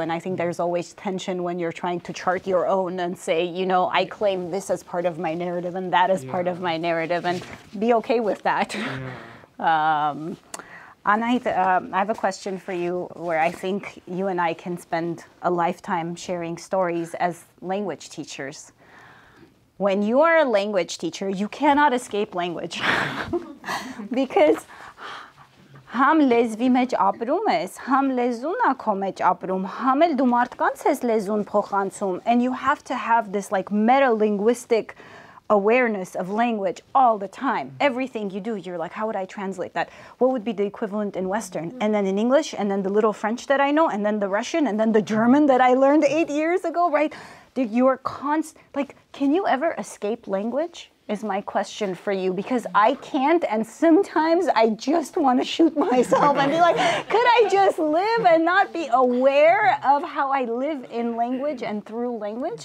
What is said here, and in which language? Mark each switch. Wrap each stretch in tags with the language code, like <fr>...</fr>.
<en>And I think there's always tension when you're trying to chart your own and say, you know, I claim this as part of my narrative and that as part of my narrative and be okay with that. Yeah. Anahit, I have a question for you where I think you and I can spend a lifetime sharing stories as language teachers. When you are a language teacher, you cannot escape language because</en> <hy>համ լեզվի մեջ ապրում ես, համ լեզուն ա քո մեջ ապրում, համ էլ դու մարդկանց ես լեզուն փոխանցում,</hy> <en>and you have to have this like meta-linguistic awareness of language all the time. Everything you do, you're like, how would I translate that? What would be the equivalent in Western? And then in English, and then the little French that I know, and then the Russian, and then the German that I learned 8 years ago, right? You are constant, like, can you ever escape language? Is my question for you, because I can't, and sometimes I just want to shoot myself and be like, could I just live and not be aware of how I live in language and through language?</en>